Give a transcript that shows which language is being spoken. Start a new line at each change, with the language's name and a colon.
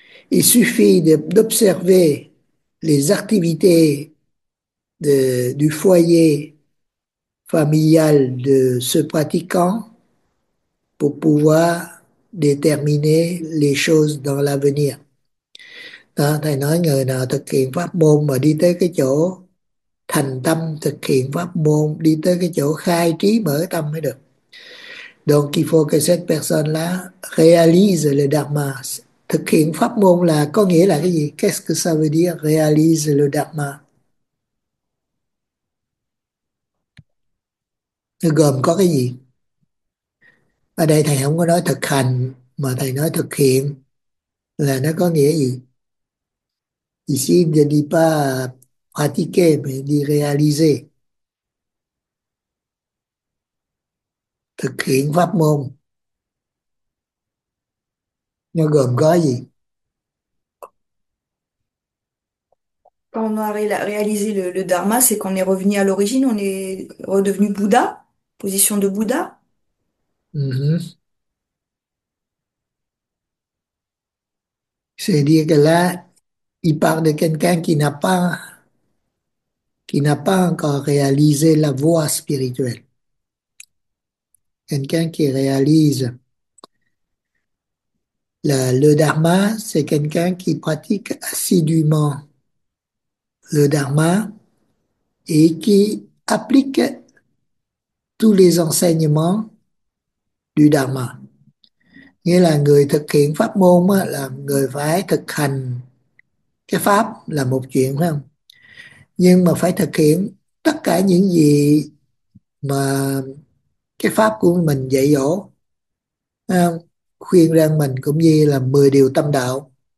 French: Il suffit d'observer les activités du foyer familial de ce pratiquant pour pouvoir déterminer les choses dans l'avenir.
Vietnamese: Thầy nói người nào thực hiện pháp môn mà đi tới cái chỗ thành tâm thực hiện pháp môn, đi tới cái chỗ khai trí mở tâm mới được.
French: Donc il faut que cette personne-là réalise le dharma.
Vietnamese: Thực hiện pháp môn là có nghĩa là cái gì?
French: Qu'est-ce que ça veut dire réalise le dharma?
Vietnamese: Nó gồm có cái gì? Ở đây thầy không có nói thực hành mà thầy nói thực hiện là nó có nghĩa gì?
French: Ici, je ne dis pas pratiquer, mais je dis réaliser.
Vietnamese: Thực hiện pháp môn. Nó gồm có gì?
French: Quand on a réalisé le dharma, c'est qu'on est revenu à l'origine, on est redevenu Bouddha, position de Bouddha. C'est-à-dire que là, il parle de quelqu'un qui n'a pas encore réalisé la voie spirituelle. Quelqu'un qui réalise le dharma, c'est quelqu'un qui pratique assidûment le dharma et qui applique tous les enseignements du dharma.
Vietnamese: Nghĩa là người thực hiện pháp môn á, là người phải thực hành cái pháp là một chuyện, phải không? Nhưng mà phải thực hiện tất cả những gì mà cái pháp của mình dạy dỗ, khuyên rằng mình cũng như là 10 điều tâm đạo.